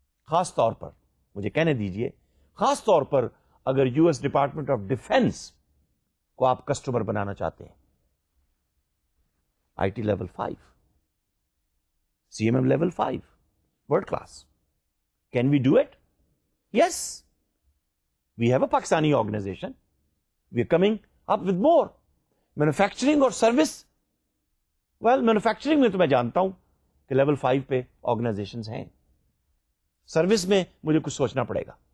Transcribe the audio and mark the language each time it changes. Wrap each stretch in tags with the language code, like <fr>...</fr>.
<ur>خاص طور پر مجھے کہنے دیجئے, خاص طور پر اگر U S department of defence کو آپ کسٹمر بنانا چاہتے ہیں, I T level five, C M M level five, world class.</ur> <en>Can we do it? Yes, we have a Pakistani organisation, we are coming up with more.</en> <ur>Manufacturing اور service, well manufacturing میں تو میں جانتا ہوں کہ level five پہ organization ہیں, service میں مجھے کچھ سوچنا پڑے گا.</ur>